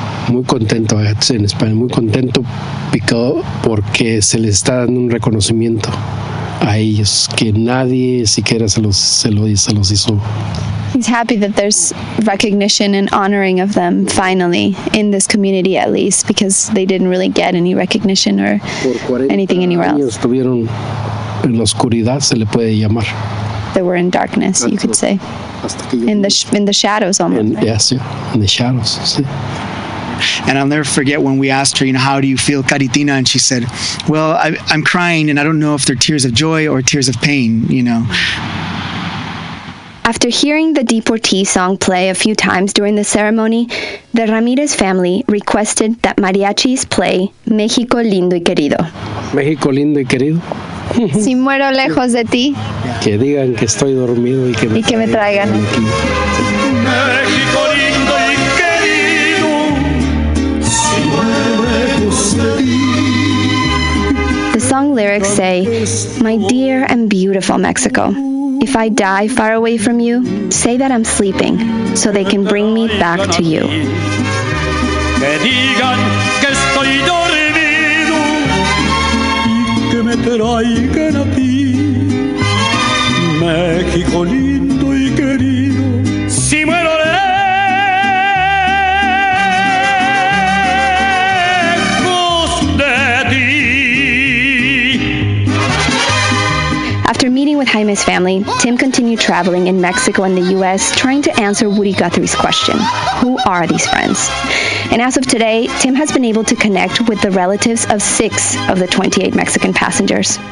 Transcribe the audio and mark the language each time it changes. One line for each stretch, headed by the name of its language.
Spanish: Muy contento,
English: it's in Spanish,
Spanish: muy contento porque se les está dando un reconocimiento a ellos que nadie siquiera se los hizo.
English: He's happy that there's recognition and honoring of them, finally, in this community at least, because they didn't really get any recognition or anything anywhere else.
Spanish: Estuvieron en la oscuridad, se le puede llamar.
English: They were in darkness, you could say. In the shadows, almost. In the shadows, sí. And I'll never forget when we asked her, you know, how do you feel, Caritina? And she said, well, I'm crying, and I don't know if they're tears of joy or tears of pain, you know. After hearing the Deportee song play a few times during the ceremony, the Ramirez family requested that mariachis play Mexico Lindo y Querido.
Spanish: Mexico Lindo y Querido. Si muero lejos de ti. Que digan que estoy dormido y que me, y que traigan. México lindo y querido, si muero lejos de ti.
English: The song lyrics say, "My dear and beautiful Mexico, if I die far away from you, say that I'm sleeping, so they can bring me back to you."
Spanish: Que digan que estoy dormido y que me traigan a ti, México lindo y querido, si muero lejos de ti.
English: After meeting with Jaime's family, Tim continued traveling in Mexico and the U.S. trying to answer Woody Guthrie's question, who are these friends? And as of today, Tim has been able to connect with the relatives of six of the 28 Mexican passengers.